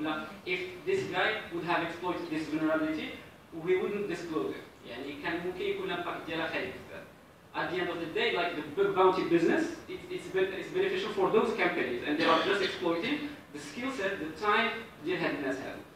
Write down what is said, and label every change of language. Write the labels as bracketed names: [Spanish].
[English] ولا if this guy would have exploited this vulnerability we wouldn't disclose it. [Arabic] يعني كان ممكن يكون الامباكت ديالها خالي بزاف. [English] At the end of the day like the big bounty business it's beneficial for those companies and they are just exploiting the skill set the time [Arabic] ديال هاد الناس هادو.